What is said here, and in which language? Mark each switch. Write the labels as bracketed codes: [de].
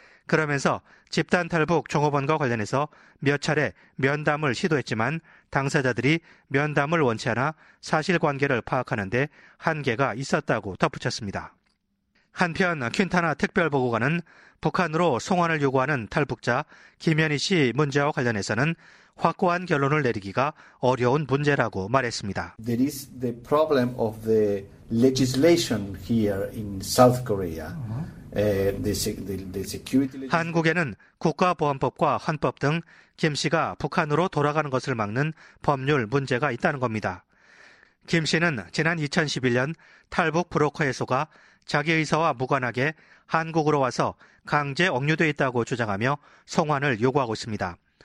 [ko] 그러면서 집단 탈북 종업원과 관련해서 몇 차례 면담을 시도했지만 당사자들이 면담을 원치 않아 사실관계를 파악하는 데 한계가 있었다고 덧붙였습니다. 한편 퀸타나 특별보고관은 북한으로 송환을 요구하는 탈북자 김현희 씨 문제와 관련해서는 확고한 결론을 내리기가 어려운 문제라고 말했습니다. [en] There is the problem of the legislation here in South Korea. The security [ko] 한국에는 국가보안법과 헌법 등 김 씨가 북한으로 돌아가는 것을 막는 법률 문제가 있다는 겁니다. 김 씨는 지난 2011년 탈북 브로커의 소가 자기 의사와 무관하게 한국으로 와서 강제 억류돼 있다고 주장하며 송환을 요구하고 있습니다.